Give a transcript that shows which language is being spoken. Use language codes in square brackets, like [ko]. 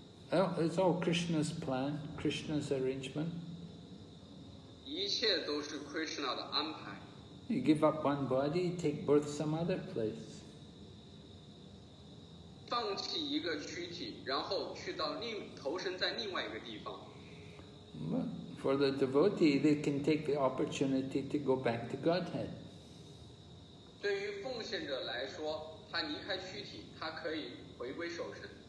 [en] Well, it's all Krishna's plan, Krishna's arrangement. [zh] 一切都是 Krishna 的安排。 [en] You give up one body, take birth some other place. [zh] 放弃一个躯体，然后去到另投身在另外一个地方。 [en] But for the devotee, they can take the opportunity to go back to Godhead. [zh] 对于奉献者来说，他离开躯体，他可以回归守身。